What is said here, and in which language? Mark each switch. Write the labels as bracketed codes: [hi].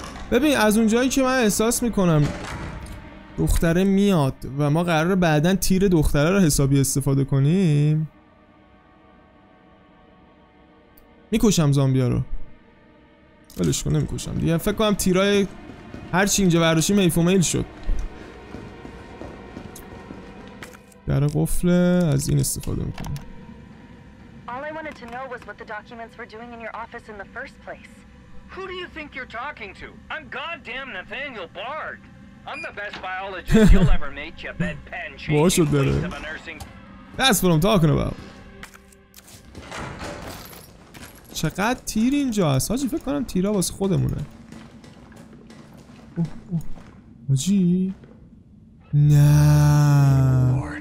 [fa] ببین از اونجایی که من احساس میکنم دختره میاد و ما قراره بعدن تیر دختره رو حسابی استفاده کنیم، میکشم زامبیا رو. ولش کن، نمیکشم دیگه. فکر کنم تیرای هرچی اینجا برداشیم ایف و میل شد. در قفل از این استفاده میکنم. [en] All I wanted to know was what the documents were doing in your office in the first place. Who do you think you're talking to? I'm goddamn Nathaniel Bard. I'm the best biologist you'll ever meet, you bed pen cheek. That's what I'm talking about. [fa] چقدر تیر اینجا هست؟ حاجی فکر کنم تیرها واسه خودمونه. حاجی؟ نه.